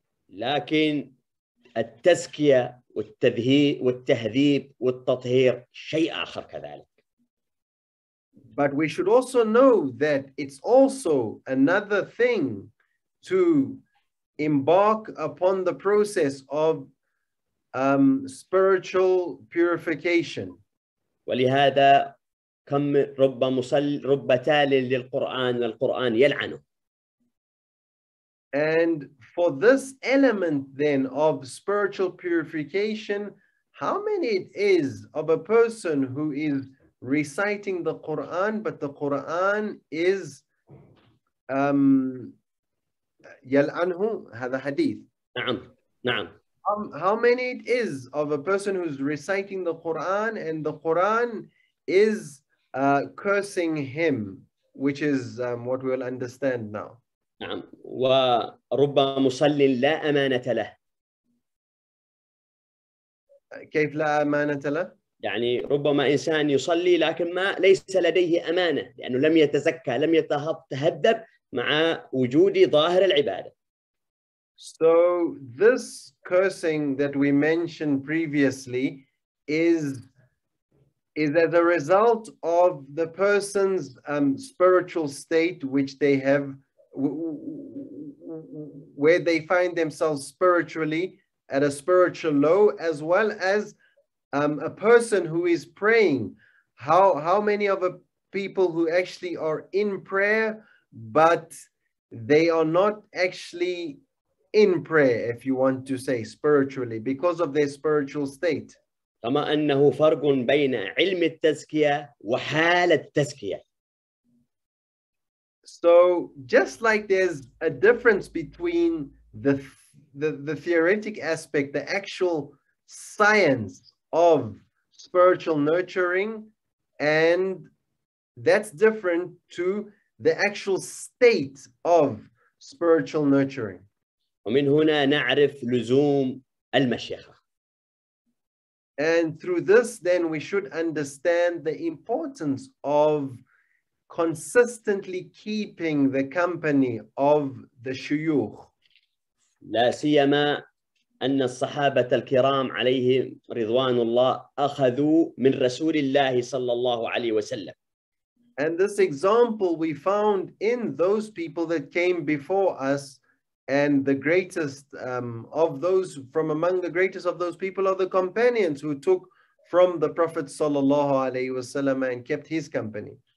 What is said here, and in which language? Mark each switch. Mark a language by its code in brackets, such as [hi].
[ar] لكن التزكية والتذهيب والتهذيب والتطهير شيء آخر كذلك. [en] But we should also know that it's also another thing to embark upon the process of spiritual purification. [ar] ولهذا كم رب مصل رب تال للقرآن والقرآن يلعنه. [en] And for this element then of spiritual purification, how many it is of a person who is reciting the Quran, but the Quran is [ar] يلعنه هذا حديث. نعم نعم. [en] How many it is of a person who's reciting the Quran and the Quran is cursing him, which is what we'll understand now. [ar] نعم. ورب مصل لا أمانة له. كيف لا أمانة له؟ يعني ربما إنسان يصلي لكن ما ليس لديه أمانة لأنه لم يتزكى لم يتهذب مع وجود ظاهر العبادة. [en] So this cursing that we mentioned previously is as a result of the person's spiritual state which they have where they find themselves spiritually at a spiritual low as well as a person who is praying. How many of the people who actually are in prayer but they are not actually in prayer, if you want to say, spiritually, because of their spiritual state. [ar] كما أنه فرق بين علم التزكية وحال التزكية. [en] So just like there's a difference between the theoretic aspect, the actual science of spiritual nurturing and That's different to the actual state of spiritual nurturing. [ar] ومن هنا نعرف لزوم المشيخة. [en] And through this, then we should understand the importance of consistently keeping the company of the شيوخ. [ar] لا سيما أن الصحابة الكرام عليهم رضوان الله أخذوا من رسول الله صلى الله عليه وسلم. [en] And this example we found in those people that came before us, and the greatest of those, from among the greatest of those people, are the companions who took from the Prophet صلى الله عليه وسلم and kept his company.